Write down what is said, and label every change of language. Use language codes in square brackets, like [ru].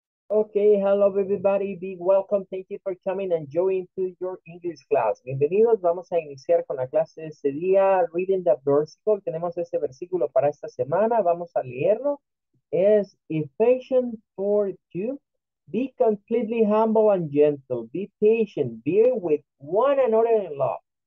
[en] Okay, hello everybody, be welcome, thank you for coming and joining to your English class. [es] Bienvenidos, vamos a iniciar con la clase de este día, [en] Reading the Versicle. [es] Tenemos este versículo para esta semana, vamos a leerlo. Es Ephesians 4:2. [en] Be completely humble and gentle, be patient, bear with one another in love.